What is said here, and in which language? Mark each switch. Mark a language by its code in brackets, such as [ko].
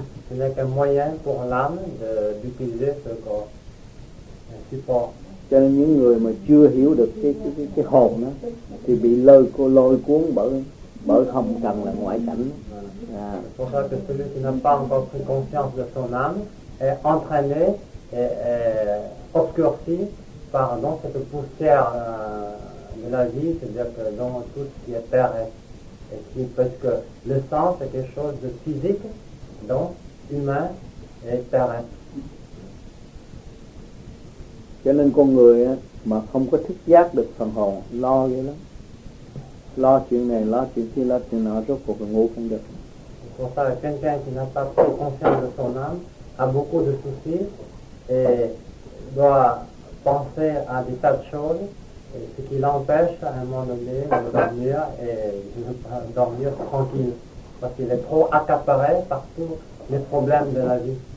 [fr] Ce n'est qu'un moyen pour l'âme d'utiliser ce corps, un support. [vi] Cho nên những người mà chưa hiểu được cái hồn đó, thì bị lôi cuốn bởi không cần là ngoại cảnh. [fr] C'est pour ça que celui qui n'a pas encore pris conscience de son âme est entraîné et obscurci par cette poussière de la vie, c'est-à-dire que dans tout ce qui est terrestre. Parce que le sang, c'est quelque chose de physique, donc humain et terrestre. [vi] Cho nên con người mà không có thức giác được phần hồn, lo ghê lắm. Lo chuyện này, lo chuyện kia, lo chuyện nào, rốt cuộc là ngủ không được. [fr] C'est pour ça que quelqu'un qui n'a pas trop conscience de son âme a beaucoup de soucis et doit penser à des tas de choses. Et ce qui l'empêche à un moment donné de dormir et de ne pas dormir tranquille. Parce qu'il est trop accaparé par tous les problèmes de la vie.